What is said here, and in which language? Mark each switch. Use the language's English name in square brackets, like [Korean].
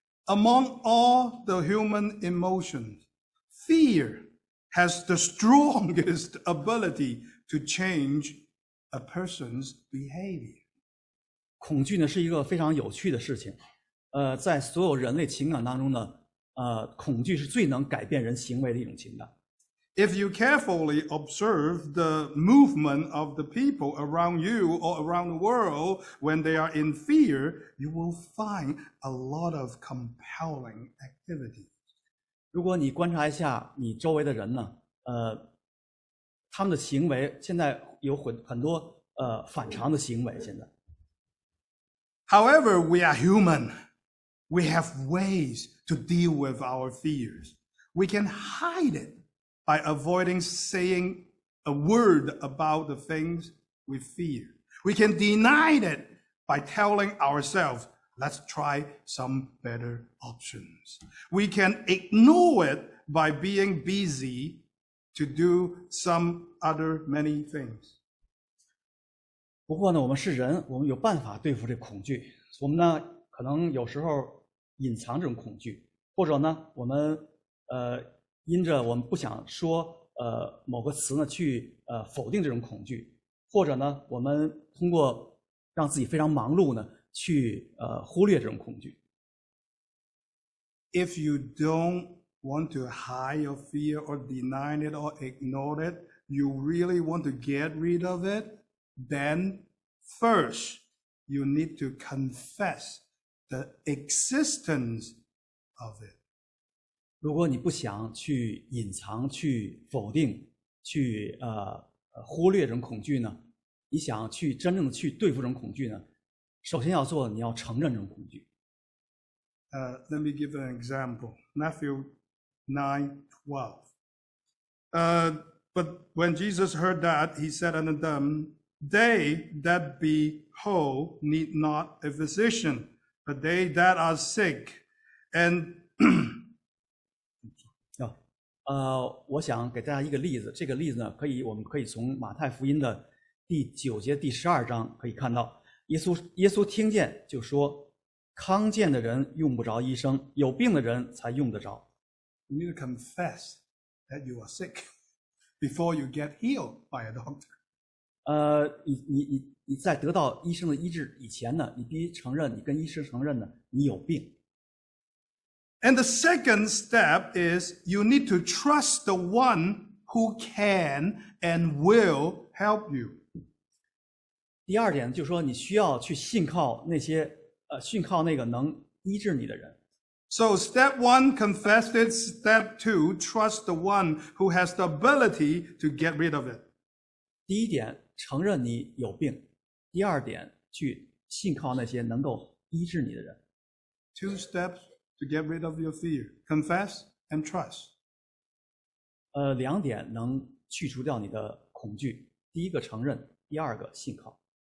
[English] Among all the human emotions, fear has the strongest ability to change a person's behavior. [Chinese] 恐惧呢是一个非常有趣的事情。在所有人类情感当中呢，恐惧是最能改变人行为的一种情感。 [English] If you carefully observe the movement of the people around you or around the world when they are in fear, you will find a lot of compelling activity. [Chinese] 如果你观察一下你周围的人呢，他们的行为现在有很多反常的行为现在。 [English] However, we are human. We have ways to deal with our fears. We can hide it. By avoiding saying a word about the things we fear. We can deny it by telling ourselves, let's try some better options. We can ignore it by being busy to do some other many things. [Chinese] 不过呢，我们是人，我们有办法对付这恐惧。我们呢，可能有时候隐藏这种恐惧，或者呢，我们因着我们不想说某个词呢去否定这种恐惧，或者呢我们通过让自己非常忙碌呢去忽略这种恐惧。 [English] If you don't want to hide your fear or deny it or ignore it, you really want to get rid of it, then first you need to confess the existence of it. [Chinese] 如果你不想去隐藏、去否定、去忽略这种恐惧呢，你想去真正的去对付这种恐惧呢，首先要做的，你要承认这种恐惧。 [English] Let me give an example. Matthew 9:12. But when Jesus heard that, he said unto them, "They that be whole need not a physician, but they that are sick, and." [Chinese] 我想给大家一个例子，这个例子呢，我们可以从马太福音的9:12可以看到，耶稣听见就说，康健的人用不着医生，有病的人才用得着。 [English] You need to confess that you are sick before you get healed by a doctor. [Chinese] 你在得到医生的医治以前呢，你必须承认，你跟医生承认呢，你有病。 [English] And the second step is you need to trust the one who can and will help you. [Chinese] 第二点就是说你需要去信靠那些信靠那个能医治你的人。 [English] So step one, confess it. Step two, trust the one who has the ability to get rid of it. [Chinese] 第一点承认你有病。第二点去信靠那些能够医治你的人。 [English] Two steps. To get rid of your fear, confess and trust. [Chinese] 两点能去除掉你的恐惧。第一个承认，第二个信靠。